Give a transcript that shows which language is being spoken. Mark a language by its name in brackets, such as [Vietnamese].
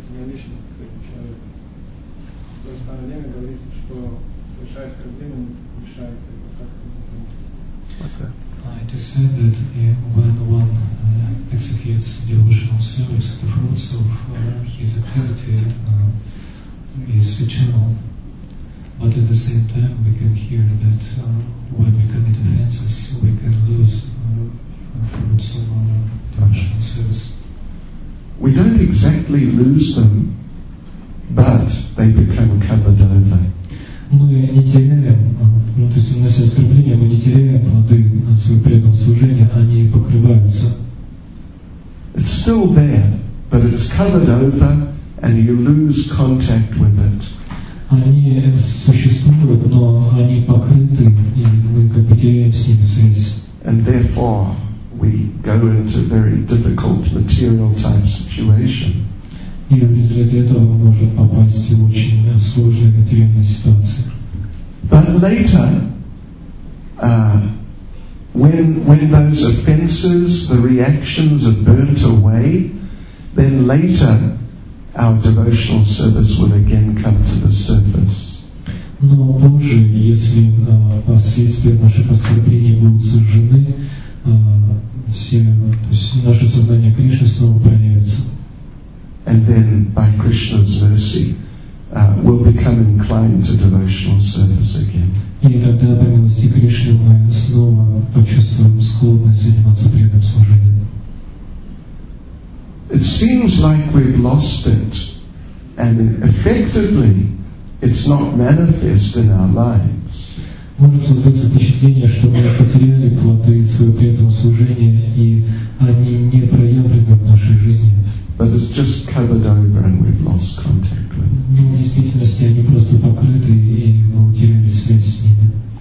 [Russian] Преданное служение, то вот это преданное служение остается наличным к человеку. В то же самое время говорится, что [English] with that. It is said that when one executes devotional service, the fruits of his activity is eternal. But at the same time, we can hear that when we commit offenses, we can lose fruits of our devotional service. We don't exactly lose them, but they become covered over. [Russian] Мы не теряем, ну, то есть в нас есть стремление, мы не теряем плоды своего преданного служения, они покрываются. [English] It's still there, but it's covered over, and you lose contact with it. [Russian] Они существуют, но они покрыты, и мы как бы теряем с ними связь. [English] And therefore, we go into very difficult material type situation. [Russian] И в результате этого мы можем попасть в очень сложные материальные ситуации. [English] But later, when those offenses, the reactions are burnt away, then later our devotional service will again come to the surface. [Russian] Но позже, если последствия наших оскорблений будут сожжены, наше сознание Кришны снова проявится. [English] And then, by Krishna's mercy, we'll become inclined to devotional service again. [Russian] И тогда, по милости Кришны, мы снова почувствуем склонность заниматься преданным служением. [English] It seems like we've lost it, and effectively, it's not manifest in our lives. [Russian] Может создаться впечатление, что мы потеряли плоды своего преданного служения, и они не проявлены в нашей жизни. [English] But it's just covered over and we've lost contact with it. [Russian] Ну, в действительности они просто покрыты, и мы утеряли связь с ними.